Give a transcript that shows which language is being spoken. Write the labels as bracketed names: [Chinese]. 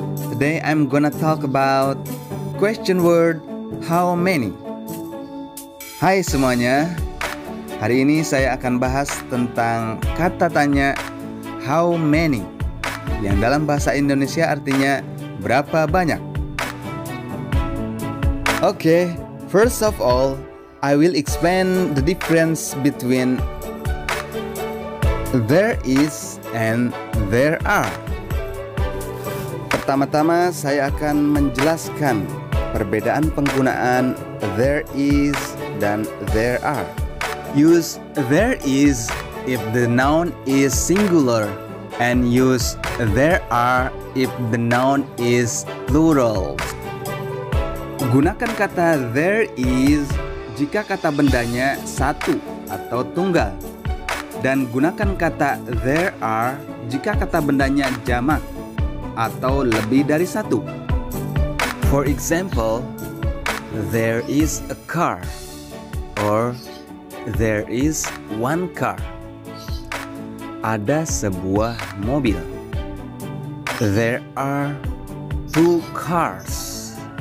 [English] Today I'm gonna talk about question word how many. [Indonesian] Hai semuanya. Hari ini saya akan bahas tentang kata tanya how many, yang dalam bahasa Indonesia artinya berapa banyak. [English] Okay, first of all, I will explain the difference between there is and there are. [Indonesian] Pertama-tama saya akan menjelaskan perbedaan penggunaan there is dan there are. [English] Use there is if the noun is singular, and use there are if the noun is plural. [Indonesian] Gunakan kata there is jika kata bendanya satu atau tunggal, dan gunakan kata there are jika kata bendanya jamak atau lebih dari satu. [English] For example, there is a car, or there is one car. [Indonesian] Ada sebuah mobil. [English] There are two cars.